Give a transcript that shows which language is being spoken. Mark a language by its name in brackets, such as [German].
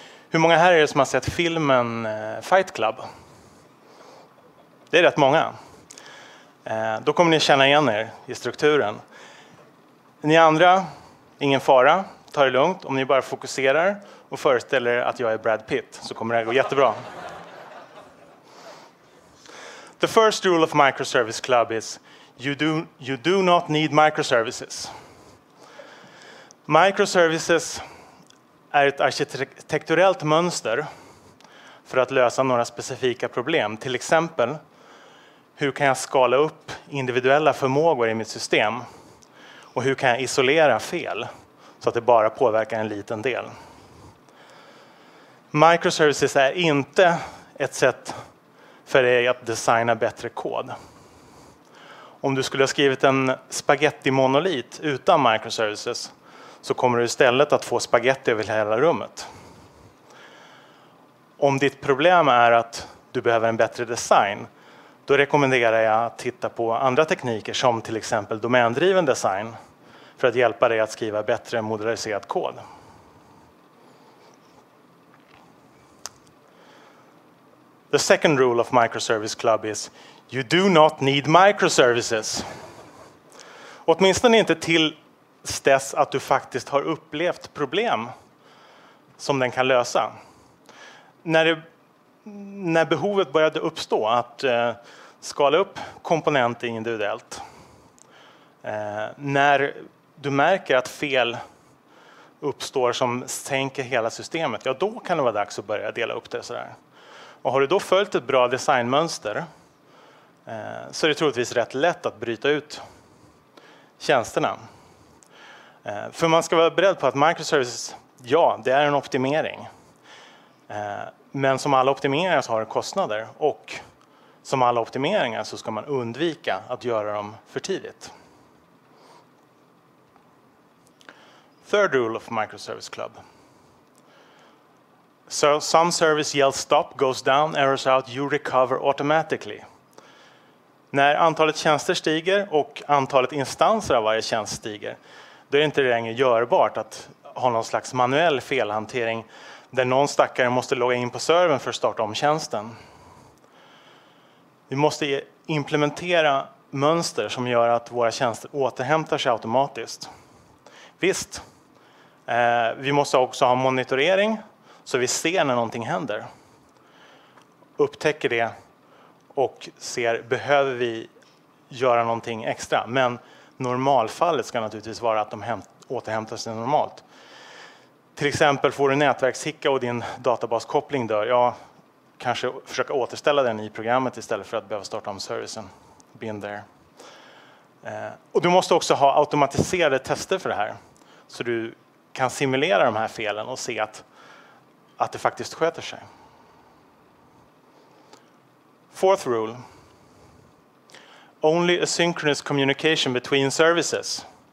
[Swedish] Hur många här är det som har sett filmen Fight Club? Det är rätt många. Då kommer ni känna igen er i strukturen. Ni andra, ingen fara, ta det lugnt. Om ni bara fokuserar och föreställer er att jag är Brad Pitt så kommer det gå jättebra. [English] The first rule of Microservice Club is you do not need microservices. [Swedish] Microservices är ett arkitekturellt mönster för att lösa några specifika problem. Till exempel, hur kan jag skala upp individuella förmågor i mitt system? Och hur kan jag isolera fel så att det bara påverkar en liten del? Microservices är inte ett sätt för dig att designa bättre kod. Om du skulle ha skrivit en spaghetti-monolit utan microservices så kommer du istället att få spaghetti över hela rummet. Om ditt problem är att du behöver en bättre design, då rekommenderar jag att titta på andra tekniker som till exempel domändriven design för att hjälpa dig att skriva bättre modulariserad kod. [English] The second rule of Microservice Club is you do not need microservices. [Swedish] Åtminstone inte till dess att du faktiskt har upplevt problem som den kan lösa. När behovet började uppstå att skala upp komponenter individuellt. När du märker att fel uppstår som sänker hela systemet, ja, då kan det vara dags att börja dela upp det sådär. Och har du då följt ett bra designmönster så är det troligtvis rätt lätt att bryta ut tjänsterna. För man ska vara beredd på att microservices, ja, det är en optimering. Men som alla optimeringar så har det kostnader. Och som alla optimeringar så ska man undvika att göra dem för tidigt. [English] Third rule of Microservice Club. So some service yells stop, goes down, errors out, you recover automatically. [Swedish] När antalet tjänster stiger och antalet instanser av varje tjänst stiger, då är det inte längre görbart att ha någon slags manuell felhantering där någon stackare måste logga in på servern för att starta om tjänsten. Vi måste implementera mönster som gör att våra tjänster återhämtar sig automatiskt. Visst, vi måste också ha monitorering så vi ser när någonting händer. Upptäcker det och ser, behöver vi göra någonting extra? Men normalfallet ska naturligtvis vara att de återhämtar sig normalt. Till exempel får du nätverkshicka och din databaskoppling dör. Ja, kanske försöka återställa den i programmet istället för att behöva starta om servicen. [English] Been there. [Swedish] Och du måste också ha automatiserade tester för det här. Så du kan simulera de här felen och se att det faktiskt sköter sig. [English] Fourth rule. Only asynchronous communication between services.